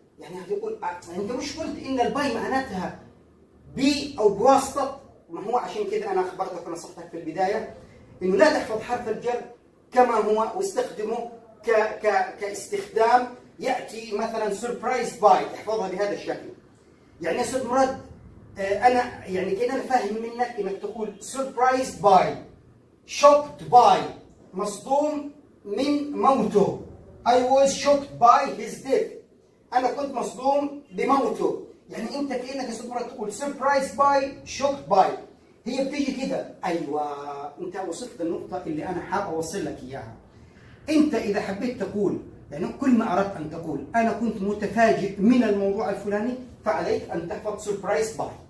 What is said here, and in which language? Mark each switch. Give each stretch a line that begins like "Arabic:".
Arabic: يعني هتقول انت مش قلت ان الباي معناتها بي او بواسطه؟ ما هو عشان كذا انا اخبرتك ونصحتك في البدايه انه لا تحفظ حرف الجر كما هو، واستخدمه كاستخدام. ياتي مثلا سربرايز باي، احفظها بهذا الشكل. يعني يا استاذ مراد انا يعني كذا انا فاهم منك انك تقول سربرايز باي، شوكت باي، مصدوم من موته.
English: I was shocked by his death،
Arabic: أنا كنت مصدوم بموته. يعني أنت كأنك يا أستاذ مراد تقول سربرايز باي، شوك باي. هي بتيجي كده. أيوه، أنت وصلت للنقطة اللي أنا حاب أوصل لك إياها. أنت إذا حبيت تقول يعني كل ما أردت أن تقول أنا كنت متفاجئ من الموضوع الفلاني فعليك أن تحفظ سربرايز باي.